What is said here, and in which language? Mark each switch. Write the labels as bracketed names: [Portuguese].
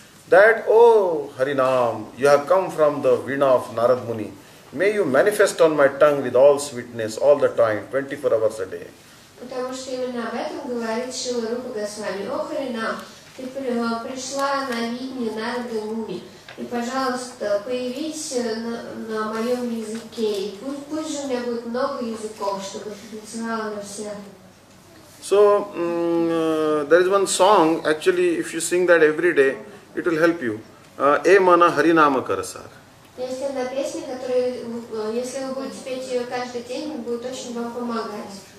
[English] That, oh Harinam, you have come from the Veena of Narad Muni. May you manifest on my tongue with all sweetness, all the time, 24 hours a day. [Russian] Потому что именно об этом говорит Шрила Рупа Госвами. О, Харинам, ты пришла на видне Нарада Муни. И, пожалуйста, появись на моем языке. И пусть же у меня будет много языков, чтобы ты танцевала на всех. [English] So, there is one song, actually, if you sing that every day, it will help you. [Bangla] E Mana Harinama Karasar. [Russian] Есть одна песня, которая, если вы будете петь ее каждый день, будет очень вам помогать.